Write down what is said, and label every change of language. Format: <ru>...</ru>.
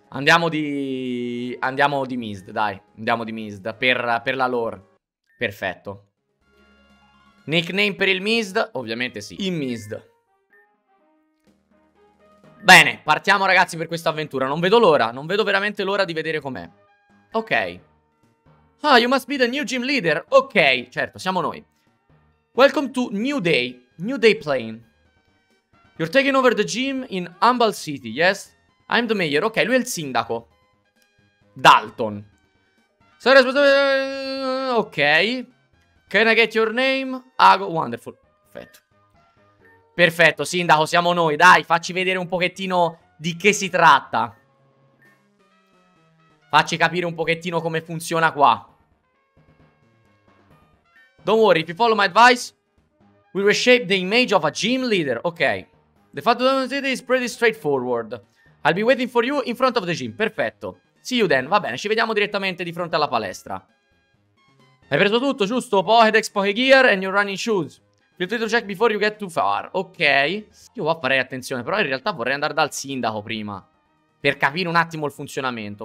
<it>Andiamo di Mizd, dai. Andiamo di Mizd per la lore. Perfetto. Nickname per il Mizd? Ovviamente sì. In Mizd. Bene, partiamo ragazzi per questa avventura. Non vedo l'ora, non vedo veramente l'ora di vedere com'è. Ok.</it> <en>Ah, oh, you must be the new gym leader.</en> <it>Ok, certo, siamo noi.</it> <en>Welcome to New Day Plain. You're taking over the gym in Humble City, yes? I'm the mayor.</en> <it>Ok, lui è il sindaco.</it> <en>Dalton. Ok. Can I get your name? Ago, wonderful.</en> <it>Perfetto. Perfetto, sindaco, siamo noi. Dai, facci vedere un pochettino di che si tratta. Facci capire un pochettino come funziona qua.</it> <en>Don't worry, if you follow my advice, we reshape the image of a gym leader. Ok. The fact that it is pretty straightforward. I'll be waiting for you in front of the gym.</en> <it>Perfetto.</it> <en>See you then.</en> <it>Va bene, ci vediamo direttamente di fronte alla palestra. Hai preso tutto, giusto?</it> <en>Pokédex, poche gear and your running shoes. Feel free to check before you get too far. Ok.</en> <it>Io farei attenzione, però in realtà vorrei andare dal sindaco prima. Per capire un attimo il funzionamento.</it>